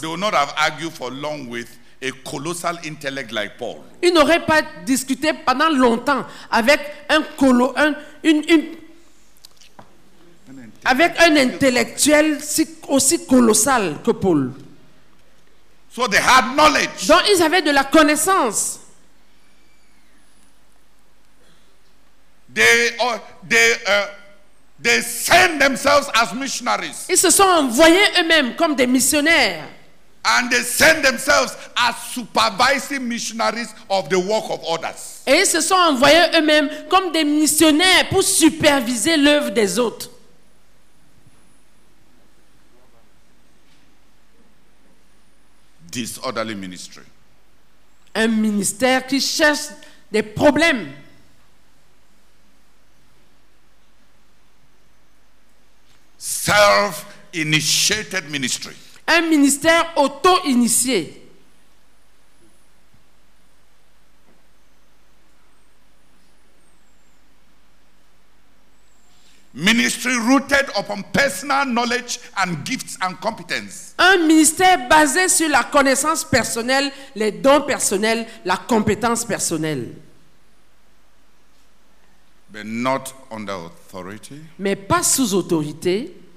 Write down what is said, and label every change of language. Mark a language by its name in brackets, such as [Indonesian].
[English] they would not have argued for long with a colossal intellect like Paul. [French] Ils n'auraient pas discuté pendant longtemps avec un intellectuel aussi colossal que Paul. [English] So they had knowledge. [French] Donc ils avaient de la connaissance. [English] They sent themselves as missionaries. [French] Ils se sont envoyés eux-mêmes comme des missionnaires. [English] And they sent themselves as supervising missionaries of the work of others. [French] Et ils se sont envoyés eux-mêmes comme des missionnaires pour superviser l'œuvre des autres. [English] Disorderly ministry. [French] Un ministère qui cherche des problèmes. [English] Self-initiated ministry. [French] Un ministère auto-initié. [English] Ministry rooted upon personal knowledge and gifts and competence. [French] Un ministère basé sur la connaissance personnelle, les dons personnels, la compétence personnelle. [English] But not under authority. [French] Mais pas sous autorité.